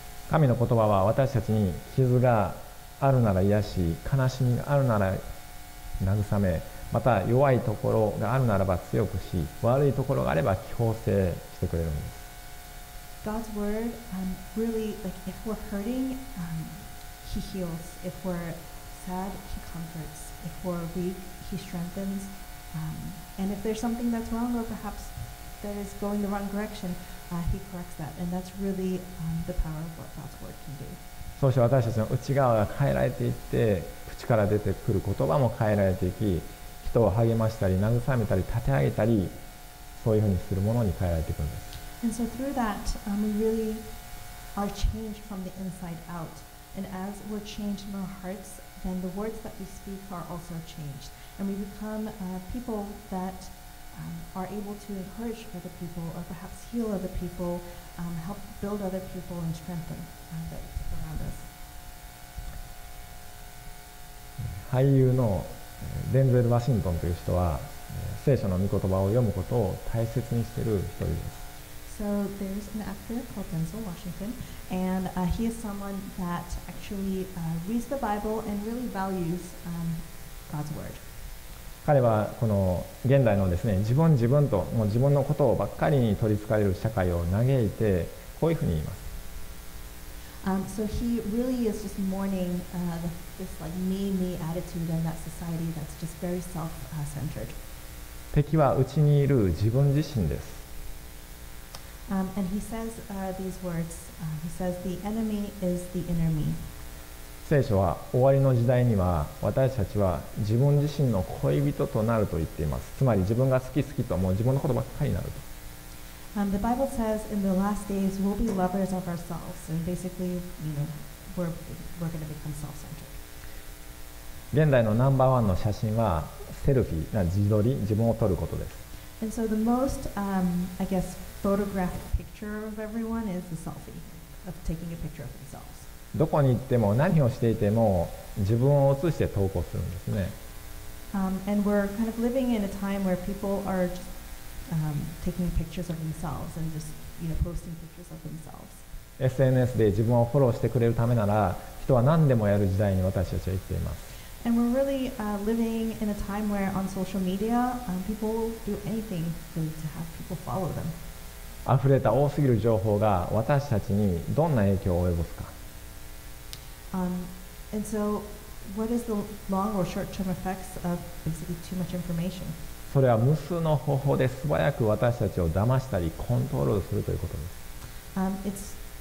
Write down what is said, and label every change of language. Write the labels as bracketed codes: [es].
[ja] 神の言葉は私たちに傷があるなら癒し、悲しみがあるなら慰め、また弱いところがあるならば強くし、悪いところがあれば矯正してくれるんです。 [en] God's word, really, like if we're hurting, He heals. If we're sad, He comforts. If we're weak, He strengthens. And if there's something that's wrong or perhaps that is going the wrong direction, He corrects that. And that's really the power of what God's word can do. [ja] そうして私たちの内側が変えられていって、口から出てくる言葉も変えられていき、人を励ましたり、慰めたり、立て上げたり、そういうふうにするものに変えられていくんです。 [en] And so through that, we really are changed from the inside out. And as we're changed in our hearts, then the words that we speak are also changed. And we become people that are able to encourage other people, or perhaps heal other people, help build other people and strengthen them. [ja] 俳優のデンゼル・ワシントンという人は聖書の御言葉を読むことを大切にしている一人です。 [en] So there's an actor called Denzel Washington, and he is someone that actually reads the Bible and really values God's word. [ja] 彼はこの現代のですね、自分と、もう自分のことをばっかりに取り憑かれる社会を嘆いて、こういうふうに言います。 [en] So he really is just mourning this like me attitude in that society that's just very self-centered. [ja] 敵は内にいる自分自身です。 [en] And he says these words. He says the enemy is the inner me. [ja] 聖書は終わりの時代には私たちは自分自身の恋人となると言っています。つまり自分が好き好きともう自分のことばっかりになると。 [en] The Bible says in the last days we'll be lovers of ourselves and basically you know, we're going to become self-centered. [ja] 現代のナンバーワンの写真はセルフィー、な自撮り、自分を撮ることです。 [en] And so the most, I guess, photographed picture of everyone is the selfie, of taking a picture of themselves. [ja] どこに行っても何をしていても自分を写して投稿するんですね。 [en] And we're kind of living in a time where people are justtaking pictures of themselves and just, you know, posting pictures of themselves. [ja] SNS で自分をフォローしてくれるためなら、人は何でもやる時代に私たちは生きています。 [en] And we're really living in a time where on social media, people will do anything to have people follow them. [ja] 溢れた多すぎる情報が私たちにどんな影響を及ぼすか。 [en] And so, what is the long or short-term effects of basically too much information? [ja] それは無数の方法で素早く私たちを騙したりコントロールするということです。